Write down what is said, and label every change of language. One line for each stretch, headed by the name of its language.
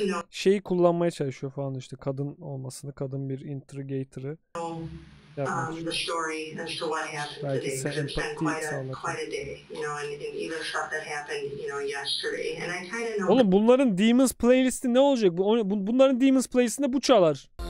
Turkish: Şeyi kullanmaya çalışıyor falan işte kadın olmasını, kadın bir interrogator'ı.
English: The story as to what happened today, because it's been quite a day, you know, and even stuff that happened, you know, yesterday, and I kind of know.
Turkish: Oğlum bunların Demons playlisti ne olacak? Bunların Demons playlistinde bu çalar.